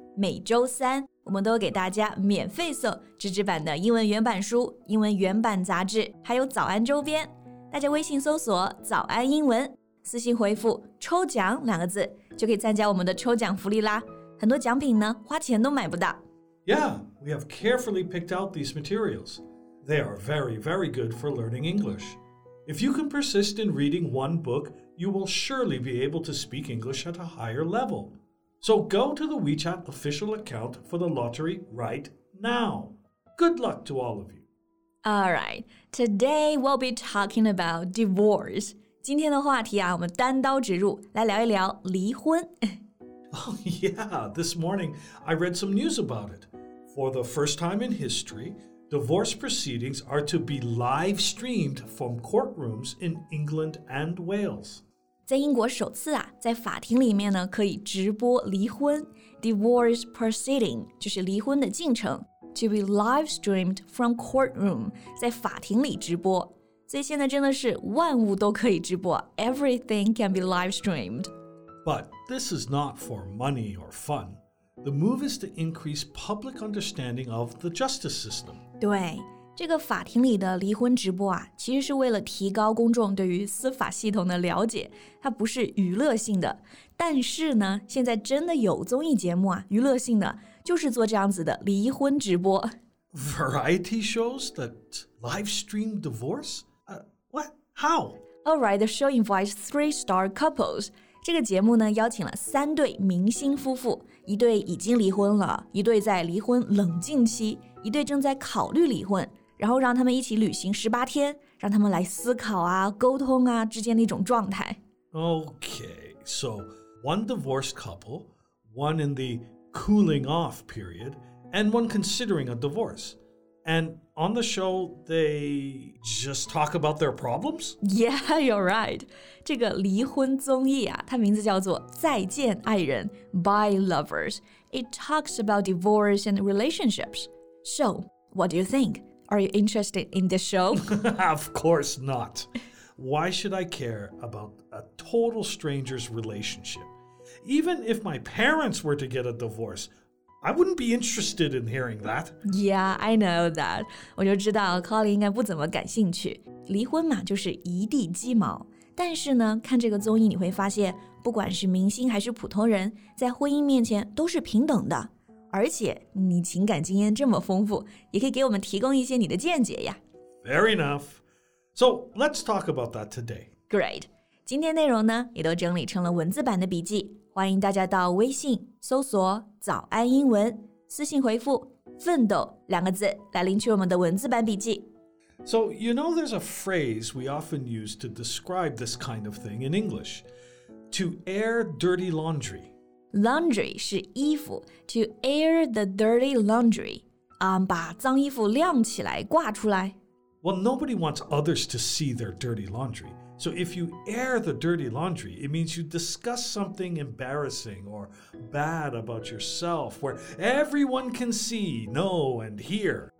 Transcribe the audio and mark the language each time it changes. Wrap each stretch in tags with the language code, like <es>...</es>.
<zh>每周三，我们都给大家免费送纸质版的英文原版书、英文原版杂志，还有早安周边。大家微信搜索“早安英文”，私信回复“抽奖”两个字，就可以参加我们的抽奖福利啦。很多奖品呢，花钱都买不到。</zh> <en>Yeah, we have carefully picked out these materials. They are very, very good for learning English. If you can persist in reading one book, you will surely be able to speak English at a higher level. So go to the WeChat official account for the lottery right now. Good luck to all of you. All right, today we'll be talking about divorce.</en> <zh>今天的话题啊，我们单刀直入，来聊一聊离婚。</zh> <en>Oh, yeah, this morning I read some news about it. For the first time in history, divorce proceedings are to be live streamed from courtrooms in England and Wales.</en> <zh>在英国首次啊，在法庭里面呢，可以直播离婚。</zh> <en>Divorce proceeding</en> <zh>就是离婚的进程。</zh> <en>To be live streamed from courtroom</en> <zh>在法庭里直播。所以现在真的是万物都可以直播。</zh> <en>Everything can be live streamed. But this is not for money or fun. The move is to increase public understanding of the justice system.</en> <zh>对，这个法庭里的离婚直播啊，其实是为了提高公众对于司法系统的了解，它不是娱乐性的。但是呢，现在真的有综艺节目啊，娱乐性的，就是做这样子的离婚直播。</zh> <en>Variety shows that live stream divorce? What? How? All right, the show invites three-star couples.</en> <zh>这个节目呢，邀请了三对明星夫妇，一对已经离婚了，一对在离婚冷静期，一对正在考虑离婚，然后让他们一起旅行18天，让他们来思考啊，沟通啊，之间的一种状态。</zh> <en>Okay, so one divorced couple, one in the cooling off period, and one considering a divorce. And on the show, they just talk about their problems? Yeah, you're right.</en> <zh>这个离婚综艺啊，它名字叫做《再见爱人》Bye Lovers.</zh> <en>It talks about divorce and relationships. So, what do you think? Are you interested in this show? Of course not. Why should I care about a total stranger's relationship? Even if my parents were to get a divorce... I wouldn't be interested in hearing that. Yeah, I know that.</en> <zh>我就知道 Colin 应该不怎么感兴趣。离婚嘛，就是一地鸡毛。但是呢，看这个综艺你会发现，不管是明星还是普通人，在婚姻面前都是平等的。而且你情感经验这么丰富，也可以给我们提供一些你的见解呀。</zh> <en>Fair enough. So, let's talk about that today. Great.</en> <zh>今天内容呢，也都整理成了文字版的笔记。欢迎大家到微信搜索早安英文，私信回复奋斗两个字来领取我们的文字版笔记。</zh> <en>So, you know there's a phrase we often use to describe this kind of thing in English. To air dirty laundry.</en> <zh>Laundry 是衣服。</zh> <en>To air the dirty laundry.</en> <zh>把脏衣服晾起来挂出来。</zh> <en>Well, nobody wants others to see their dirty laundry. So if you air the dirty laundry, it means you discuss something embarrassing or bad about yourself where everyone can see, know, and hear.</en>